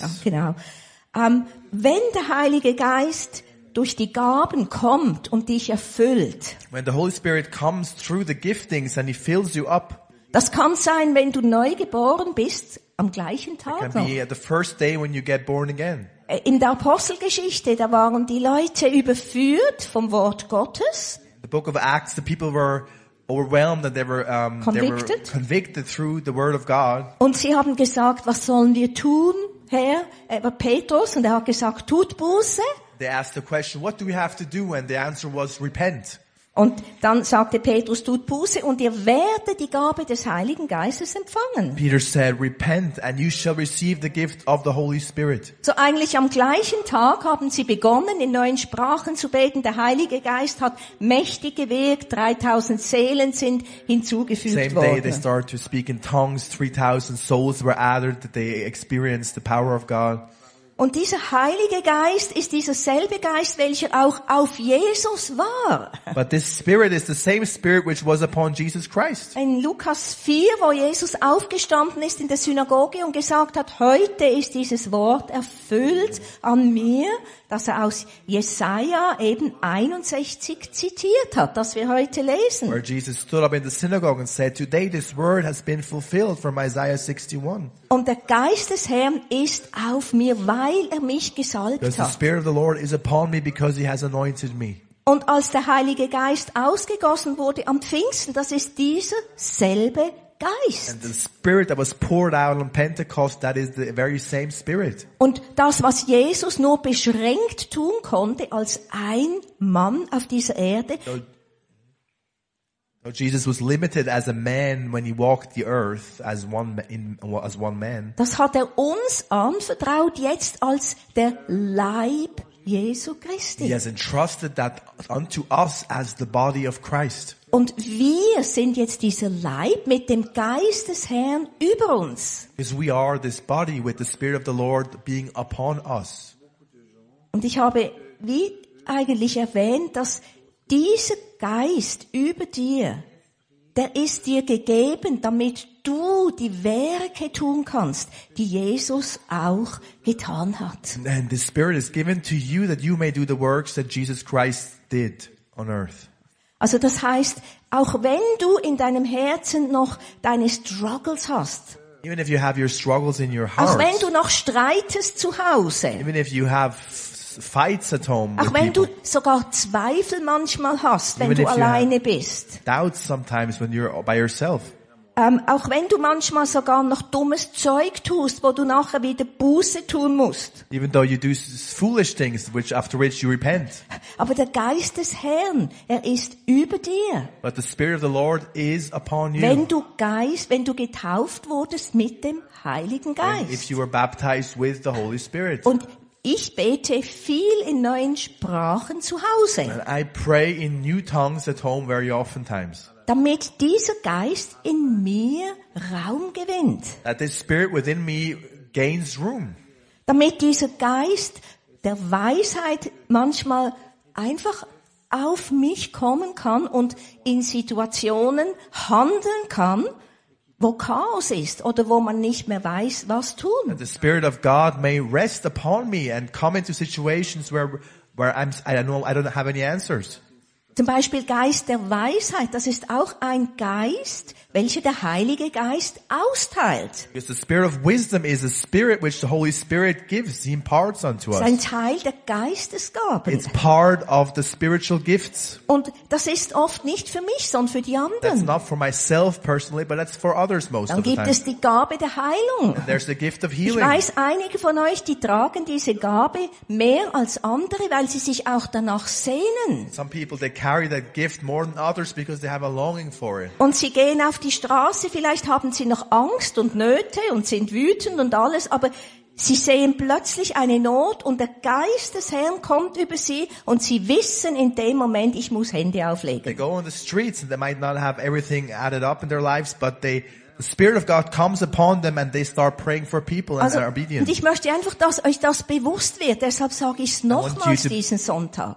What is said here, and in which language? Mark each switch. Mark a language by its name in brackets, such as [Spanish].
[German] Ja, genau. Wenn der Heilige Geist durch die Gaben kommt und dich erfüllt. [English] When the Holy Spirit comes through the giftings and he fills you up. [German] Das kann sein, wenn du neu geboren bist am gleichen Tag. [English] It can be the first day when you get born again. [German] In der Apostelgeschichte, da waren die Leute überführt vom Wort Gottes. [English] The book of Acts, the people were overwhelmed and they were convicted through the word of God. [German] Und sie haben gesagt, was sollen wir tun, Herr? Er war Petrus und er hat gesagt, tut Buße. [English] They asked the question, what do we have to do? And the answer was, repent. [German] Und dann sagte Petrus, tut Buße und ihr werdet die Gabe des Heiligen Geistes empfangen. [English] Peter said, repent and you shall receive the gift of the Holy Spirit. [German] So eigentlich am gleichen Tag haben sie begonnen, in neuen Sprachen zu beten. Der Heilige Geist hat mächtig gewirkt. 3000 Seelen sind hinzugefügt worden. [English] Same day they started to speak in tongues. 3000 souls were added. They experienced the power of God. [German] Und dieser Heilige Geist ist dieser selbe Geist, welcher auch auf Jesus war. [English] But this spirit is the same spirit which was upon Jesus Christ. [German] In Lukas 4, wo Jesus aufgestanden ist in der Synagoge und gesagt hat, heute ist dieses Wort erfüllt an mir, das er aus Jesaja eben 61 zitiert hat, das wir heute lesen. [English] Where Jesus stood up in the synagogue and said, today this word has been fulfilled from Isaiah 61. [German] Und der Geist des Herrn ist auf mir, weil er mich gesalbt hat. [English] The Spirit of the Lord is upon me because he has anointed me. [German] Und als der Heilige Geist ausgegossen wurde am Pfingsten, das ist dieser selbe Geist. [English] And the Spirit that was poured out on Pentecost, that is the very same Spirit. [German] Und das, was Jesus nur beschränkt tun konnte als ein Mann auf dieser Erde. [English] Jesus was limited as a man when he walked the earth as one man. [German] Das hat er uns anvertraut jetzt als der Leib Jesu Christi. [English] He has entrusted that unto us as the body of Christ. [German] Und wir sind jetzt dieser Leib mit dem Geist des Herrn über uns. [English] Because we are this body with the Spirit of the Lord being upon us. [German] Und ich habe wie eigentlich erwähnt, dass dieser Geist über dir, der ist dir gegeben, damit du die Werke tun kannst, die Jesus auch getan hat. [English] And the Spirit is given to you that you may do the works that Jesus Christ did on earth. [German] Also das heißt, auch wenn du in deinem Herzen noch deine Struggles hast, [English] even if you have your struggles in your heart, [German] auch wenn du noch streitest zu Hause, [English] even if you have fights at home, [German] auch wenn du sogar Zweifel manchmal hast, wenn du alleine bist. [English] Doubts sometimes when you're by yourself. [German] Auch wenn du manchmal sogar noch dummes Zeug tust, wo du nachher wieder Buße tun musst. [English] Even though you do foolish things, which after which you repent. [German] Aber der Geist des Herrn, er ist über dir. [English] But the Spirit of the Lord is upon you. [German] Wenn du getauft wurdest mit dem Heiligen Geist. [English] And if you were baptized with the Holy Spirit. [German] Und ich bete viel in neuen Sprachen zu Hause. [English] And I pray in new tongues at home very oftentimes. [German] Damit dieser Geist in mir Raum gewinnt. [English] That the Spirit within me gains room. [German] Damit dieser Geist der Weisheit manchmal einfach auf mich kommen kann und in Situationen handeln kann, wo Chaos ist oder wo man nicht mehr weiß, was tun. [English] That the Spirit of God may rest upon me and come into situations where I don't have any answers. [German] Zum Beispiel Geist der Weisheit, das ist auch ein Geist, welcher der Heilige Geist austeilt. [English] Because the Spirit of Wisdom is a spirit which the Holy Spirit gives, he imparts unto us. [German] Es ist ein Teil der Geistesgaben. [English] It's part of the spiritual gifts. [German] Und das ist oft nicht für mich, sondern für die anderen. [English] That's not for myself personally, but that's for others most of the time. [German] Dann gibt es die Gabe der Heilung. [English] And there's the gift of healing. [German] Ich weiß, einige von euch, die tragen diese Gabe mehr als andere, weil sie sich auch danach sehnen. [English] Some people, they carry that gift more than others because they have a longing for it. [German] Und sie gehen auf die Straße, vielleicht haben sie noch Angst und Nöte und sind wütend und alles, aber sie sehen plötzlich eine Not und der Geist des Herrn kommt über sie und sie wissen in dem Moment, ich muss Hände auflegen. [English] They go on the streets and they might not have everything added up in their lives, but the Spirit of God comes upon them and they start praying for people and they're obedient. [German] Und ich möchte einfach, dass euch das bewusst wird, deshalb sage ich es nochmals diesen Sonntag.